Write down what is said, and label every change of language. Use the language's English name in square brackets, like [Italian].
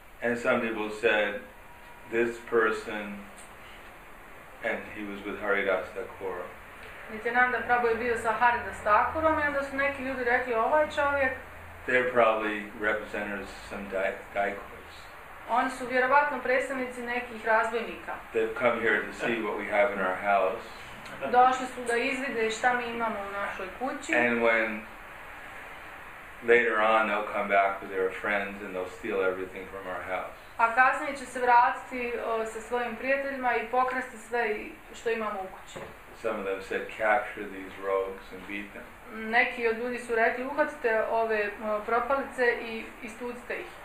[English] And some people said, this person, and he was with Haridas Thakur. [Bosnian] Nityananda Prabhu je bio sa Haridas Thakurom, i onda su neki ljudi rekli, ovaj čovjek. [English] They're probably representatives of some daikos. [Bosnian] Oni su vjerovatno predstavnici nekih razbojnika. [English] They've come here to see what we have in our house. [Bosnian] Došli su da izvide šta mi imamo u našoj kući. [English] And when later on they'll come back with their friends and they'll steal everything from our house. [Bosnian] A kasnije će se vratiti sa svojim prijateljima i pokrasti sve što imamo u kući. [English] Some of them said, capture these rogues and beat them. [Bosnian] Neki od ljudi su rekli, uhvatite ove propalice i istucite ih.